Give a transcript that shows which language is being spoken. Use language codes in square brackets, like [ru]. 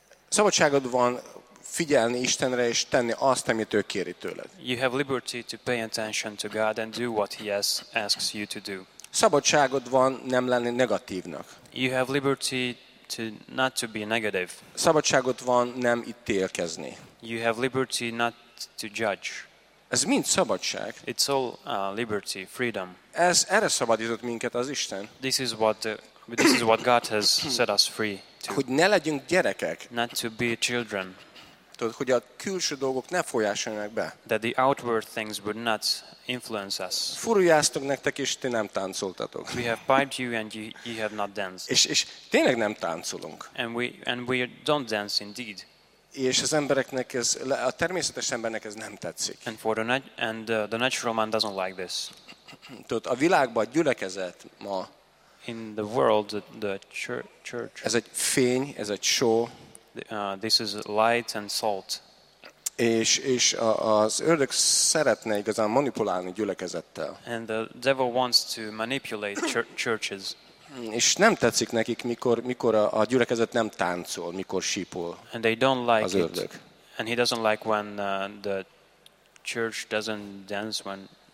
[hu] Szabadságod van figyelni Istenre és tenni azt, amit ő kéri tőled. [en] You have liberty to pay attention to God and do what he asks you to do. [hu] Szabadságod van nem lenni negatívnak. [en] You have liberty to not to be negative. [hu] Szabadságod van nem ítélkezni. [en] You have liberty not to judge. [hu] Ez mind szabadság. [en] It's all liberty, freedom. [hu] Ez erre szabadított minket az Isten. [en] This is what God has set us free to. [hu] Hogy ne legyünk gyerekek. [en] Not to be children. [hu] Hogy a külső dolgok ne folyásolják be. [en] That the outward things would not influence us. [hu] Furuljáztok nektek, és ti nem táncoltatok. [en] We have piped you and you have not danced. [hu] És tényleg nem táncolunk. [en] And we don't dance indeed. [hu] És az embereknek ez, a természetes embernek ez nem tetszik. [en] And the natural man doesn't like this. [hu] Tudod, a világban gyülekezet ma. [en] In the world, the church. [hu] Ez egy fény, ez egy show. [en] This is light and salt. [hu] És az ördög szeretne igazán manipulálni gyülekezettel. [en] And the devil wants to manipulate churches. [hu] És nem tetszik nekik, mikor a gyülekezet nem táncol, mikor sípol. [en] And they don't like [hu] az ördög. [en] It. And he doesn't like when the church doesn't dance when.